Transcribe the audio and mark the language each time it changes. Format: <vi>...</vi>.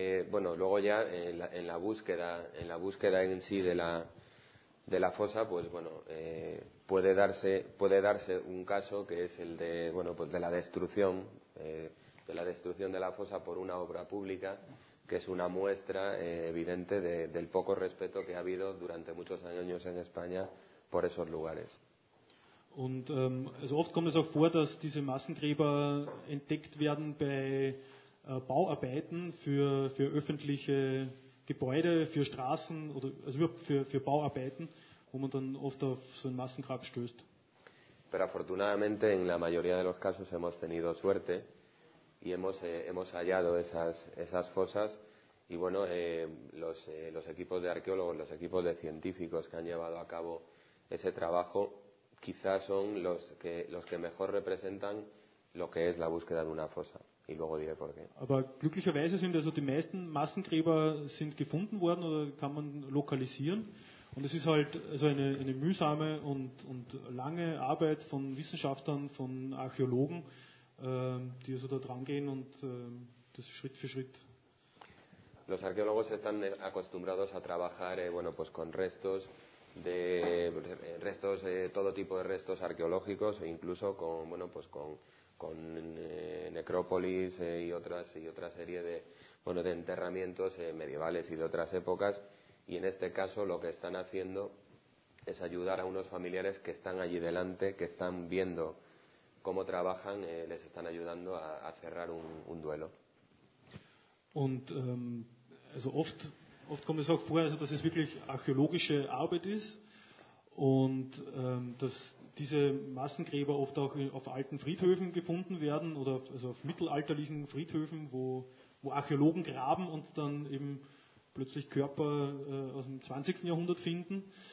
<es>Luego ya en la búsqueda en sí de la fosa, pues bueno, puede darse un caso que es el de la destrucción de la fosa por una obra pública, que es una muestra evidente del poco respeto que ha habido durante muchos años en España por esos lugares.</es> <de>Und also oft kommt es auch vor, dass diese Massengräber entdeckt werden bei Bauarbeiten für öffentliche Gebäude, für Straßen oder also für Bauarbeiten, wo man dann oft auf so ein Massengrab stößt.</de> <es>Pero afortunadamente en la mayoría de los casos hemos tenido suerte y hemos hallado esas fosas y los equipos de arqueólogos, los equipos de científicos que han llevado a cabo ese trabajo, quizás son los que mejor representan lo que es la búsqueda de una fosa. Y luego diré por qué.</es> <de>Aber glücklicherweise sind also die meisten Massengräber sind gefunden worden oder kann man lokalisieren. Und es ist halt also eine mühsame und lange Arbeit von Wissenschaftlern, von Archäologen, die also da dran gehen und das Schritt für Schritt.</de> <es>Los arqueólogos están acostumbrados a trabajar con restos de restos todo tipo de restos arqueológicos e incluso con necrópolis y otra serie de enterramientos medievales y de otras épocas, y en este caso lo que están haciendo es ayudar a unos familiares que están allí delante, que están viendo cómo trabajan, les están ayudando a cerrar un duelo.</es> <de>Und also oft kommt es auch vor, also, dass es wirklich archäologische Arbeit ist und dass diese Massengräber oft auch auf alten Friedhöfen gefunden werden oder auf mittelalterlichen Friedhöfen, wo Archäologen graben und dann eben plötzlich Körper aus dem 20. Jahrhundert finden.</de>